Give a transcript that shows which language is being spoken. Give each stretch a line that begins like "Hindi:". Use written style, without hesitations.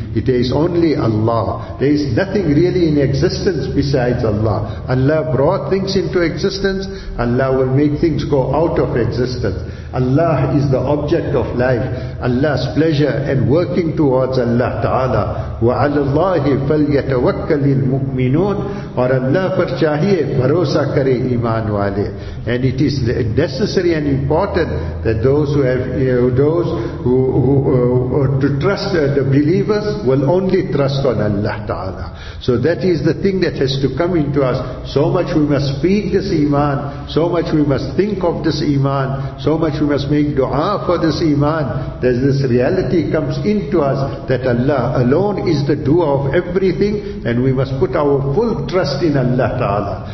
English: It is only Allah. There is nothing really in existence besides Allah. Allah brought things into existence. Allah will make things go out of existence. Allah is the object of life. Allah's pleasure and working towards Allah Ta'ala.
Arabic: وَعَلَى اللَّهِ فَلْيَتَوَكَّلِ الْمُؤْمِنُونَ
Urdu: اور اللہ پر چاہیے بھروسہ کرے ایمان والے.
English: And it is necessary and important that those who trust the believers will only trust on Allah Ta'ala. So that is the thing that has to come into us. So much we must speak this iman, so much we must think of this iman, so much we must make dua for this iman, that this reality comes into us, that Allah alone is the doer of everything, and we must put our full trust in Allah Ta'ala.